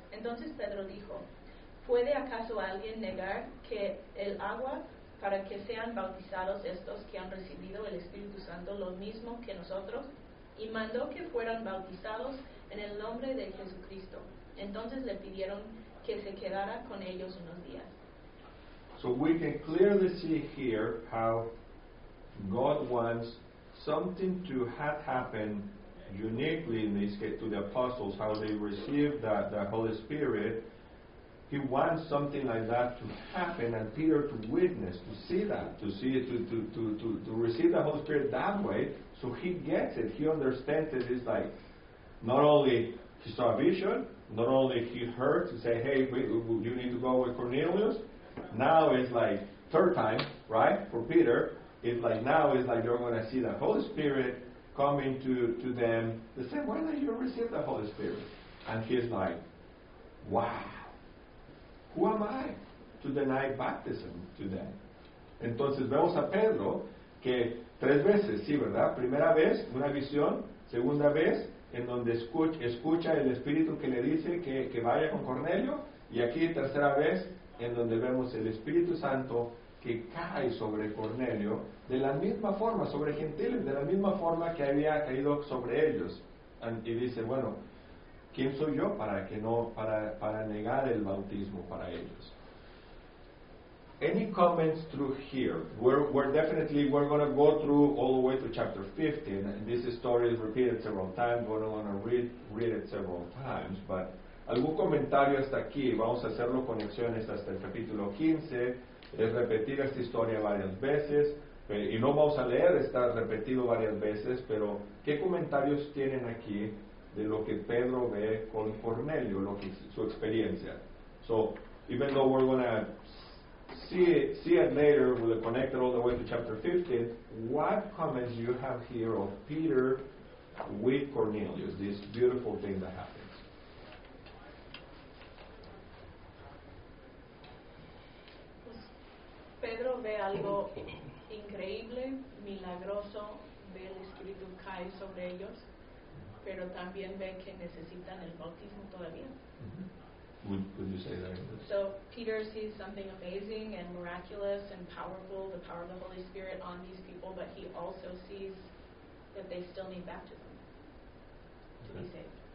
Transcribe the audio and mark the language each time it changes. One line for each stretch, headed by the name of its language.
Spanish: Entonces Pedro dijo, ¿puede acaso alguien negar que el agua para que sean bautizados estos que han recibido el Espíritu Santo lo mismo que nosotros? Y mandó que fueran bautizados en el nombre de Jesucristo. Entonces le pidieron que se quedara con ellos unos días.
English: So we can clearly see here how God wants something to have happened uniquely in this case to the apostles, how they received the Holy Spirit. He wants something like that to happen, and Peter to witness, to see that, to receive the Holy Spirit that way. So he gets it. He understands it. It's like, not only he saw a vision, not only he heard to say, hey, you need to go with Cornelius. Now it's like third time, right, for Peter. It's like now it's like you're going to see the Holy Spirit coming to them the same way that you received the Holy Spirit. And he's like, wow. Who am I to deny baptism to them?
Spanish: Entonces vemos a Pedro que tres veces, sí, ¿verdad? Primera vez, una visión. Segunda vez, en donde escucha el Espíritu que le dice que vaya con Cornelio. Y aquí, tercera vez, en donde vemos el Espíritu Santo que cae sobre Cornelio de la misma forma, sobre gentiles, de la misma forma que había caído sobre ellos. Y dice, bueno, ¿quién soy yo para negar el bautismo para ellos?
English: Any comments through here? We're going to go through all the way to chapter 15. And this story is repeated several times. We're going to read it several times.
Spanish: But algún comentario hasta aquí. Vamos a hacerlo conexiones hasta el capítulo 15. Es repetir esta historia varias veces. Y no vamos a leer, está repetido varias veces. Pero ¿qué comentarios tienen aquí de lo que Pedro ve con Cornelio, lo que su experiencia?
English: So, even though we're going to see it later, we'll connect it all the way to chapter 15, what comments do you have here of Peter with Cornelius, this beautiful thing that happens?
Spanish: Pedro ve algo increíble, milagroso, ve el Espíritu cae sobre ellos, pero también ve que necesitan el bautismo todavía.
English: Mm-hmm. Would you say that? So Peter sees something amazing and miraculous and powerful, the power of the Holy Spirit on these people, but he also sees that they still need baptism to be saved.